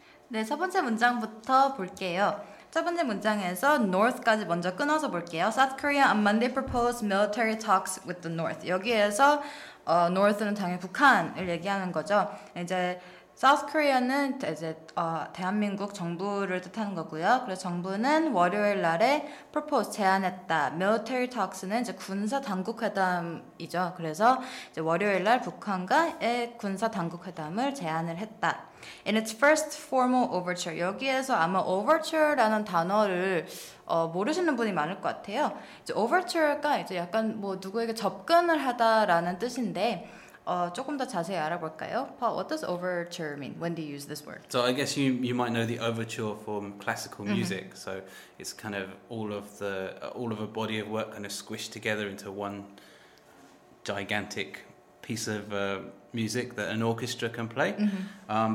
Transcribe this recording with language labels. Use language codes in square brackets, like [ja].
[ko] 네, 첫 번째 문장부터 볼게요. 첫 번째 문장에서 North까지 먼저 끊어서 볼게요. [en] South Korea on Monday proposed military talks with the North. [ko] 여기에서 North는 당연히 북한을 얘기하는 거죠. 이제 South Korea는 이제 대한민국 정부를 뜻하는 거고요. 그래서 정부는 월요일 날에 propose 제안했다. Military talks는 이제 군사 당국 회담이죠. 그래서 이제 월요일 날 북한과의 군사 당국 회담을 제안을 했다. [en] In its first formal overture. [ko] 여기에서 아마 overture라는 단어를 모르시는 분이 많을 것 같아요. 이제 overture가 이제 약간 뭐 누구에게 접근을 하다라는 뜻인데. 조금 더 자세히 알아볼까요? [en] Paul, what does overture mean? When do you use this word? So I guess you might know the overture from classical music. Mm-hmm. So it's kind of all of a body of work kind of squished together into one gigantic piece of music that an orchestra can play. Mm-hmm.